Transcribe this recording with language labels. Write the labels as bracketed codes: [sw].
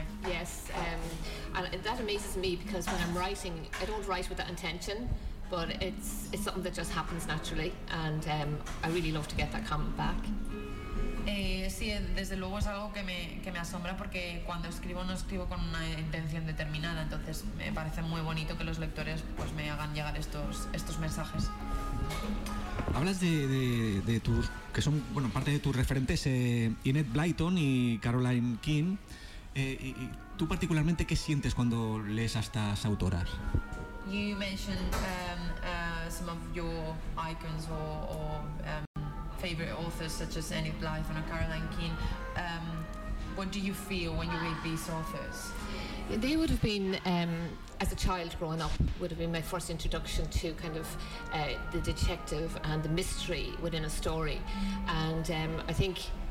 [en] Yes, and that amazes me, because when I'm writing, I don't write with that intention, but it's something that just happens naturally, and I really love to get that comment back. [es] Sí, desde luego es algo que me asombra, porque cuando escribo no escribo con una intención determinada, entonces me parece muy bonito que los lectores pues me hagan llegar estos mensajes. Hablas de tus, que son, bueno, parte de tus referentes, Enid Blyton y Caroline King. Y tú particularmente, ¿qué sientes cuando lees a estas autoras? [en] You mentioned some of your icons or favorite authors, such as Enid Blyton or Caroline King. What do you feel when you read these authors? They would have been, as a child growing up, would have been my first introduction to kind of the detective and the mystery within a story. And I think